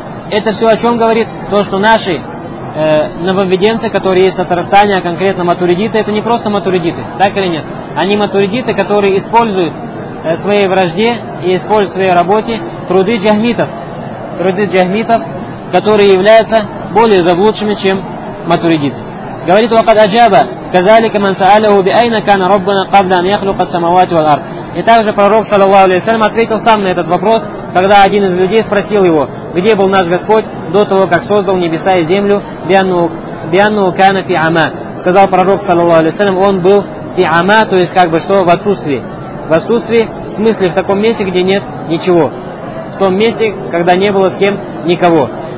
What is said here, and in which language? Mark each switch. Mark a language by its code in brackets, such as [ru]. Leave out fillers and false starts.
[ru] Это все о чем говорит? То, что наши нововведенцы, которые есть в Татарстане, а конкретно матуридиты, это не просто матуридиты, так или нет? Они матуридиты, которые используют своей вражде и используют в своей работе труды джагмитов. Труды джагмитов, которые являются более заблудшими, чем матуридиты. [ar] Говорит وَقَدْ أَجَابَ كَذَلِكَ مَنْ سَأَلَهُ بِأَيْنَ كَانَ رَبَّنَا قَبْلَ أَنْ يَخْلُقَ السَّمَوَاتِ وَالْأَرْضِ. [ru] И также пророк, саллаллаху алейхи ва саллям, ответил сам на этот вопрос, когда один из людей спросил его, где был наш Господь до того, как создал небеса и землю, [ar] бианну кана фи ама. [ru] Сказал пророк, саллаллаху алейхи ва саллям, он был фи ама, то есть как бы что, в отсутствии. В отсутствии, в смысле, в таком месте, где нет ничего. В том месте, когда не было с кем никого.